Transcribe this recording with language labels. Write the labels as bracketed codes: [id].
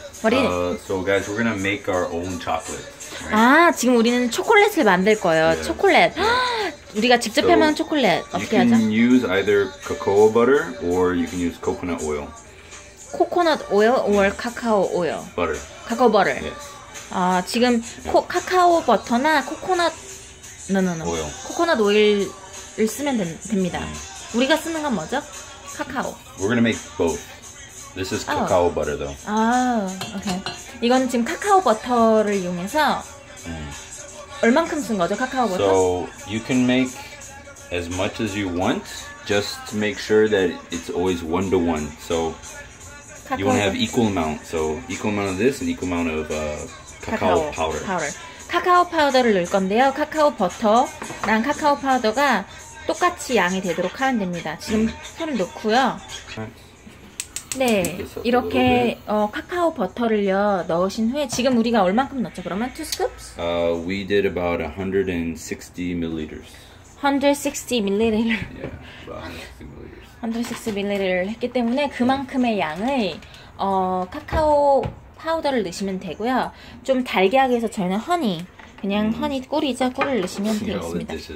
[en] So guys, we're gonna make our own chocolate. Right? [ko] 아, 지금 우리는 초콜릿을 만들 거예요. [en] Yeah. 초콜릿. Yeah. [ko] 우리가 직접 해먹는 초콜릿. 어떻게 하죠? [en] You can use either cocoa butter or you can use coconut oil. Coconut oil or cacao oil? Butter. Cacao butter. Yes. [ko] 아, 지금 카카오 버터나 코코넛 오일. 코코넛 오일을 쓰면 됩니다. 우리가 쓰는 건 뭐죠? 카카오. [en] We're gonna make both. This is cacao butter, though. 아, 오케이. [ko] 이건 지금 카카오 버터를 이용해서 얼만큼 쓴 거죠, 카카오 버터? [en] So you can make as much as you want, just to make sure that it's always 1:1. So you want to have equal amount. So equal amount of this and equal amount of cacao powder. [ko] 카카오 파우더를 넣을 건데요. 카카오 버터랑 카카오 파우더가 똑같이 양이 되도록 하면 됩니다. 지금 팬 넣고요. 네, 이렇게 카카오 버터를요 넣으신 후에 지금 우리가 얼만큼 넣죠? 그러면 2 scoops? [en] We did about 160 milliliters. 160 milliliters. Yeah, about 160 milliliters. [ko] 160 milliliters 했기 때문에 그만큼의 양의 카카오 파우더를 넣으시면 되고요. 좀 달게 하기 위해서 저희는 허니, 그냥 허니 꿀이자 꿀을 넣으시면 되겠습니다.